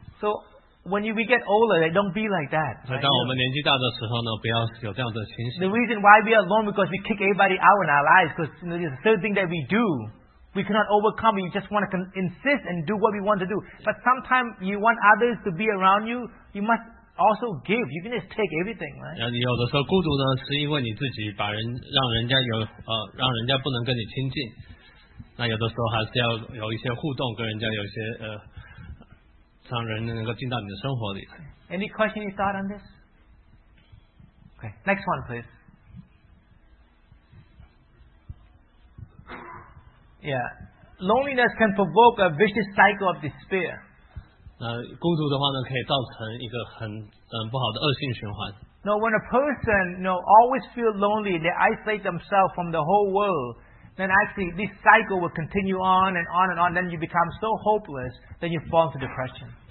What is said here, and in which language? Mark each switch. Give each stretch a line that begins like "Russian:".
English: So when we get older, they don't be like that. Right?
Chinese: 所以当我们年纪大的时候呢,不要有这样的情形。
English: The reason why we are alone because we kick everybody out in our lives, because you know, there's a third thing that we do. We cannot overcome, we just want to insist and do what we want to do. But sometimes you want others to be around you, you must also give. You can just take everything, right?
Chinese: 有的时候孤独呢, 是因为你自己把人, 让人家有, 让人家不能跟你亲近, 那有的时候还是要有一些互动, 跟人家有一些, 让人能够进到你的生活里。
English: Any question you thought on this? Okay, next one, please. Yeah. Loneliness can provoke a vicious cycle of despair.
Chinese: 孤独的话呢, 可以造成一个很, 不好的恶性循环。
English: No, when a person, you know, always feel lonely, they isolate themselves from the whole world, then actually this cycle will continue on and on and on. Then you become so hopeless, then you fall into depression.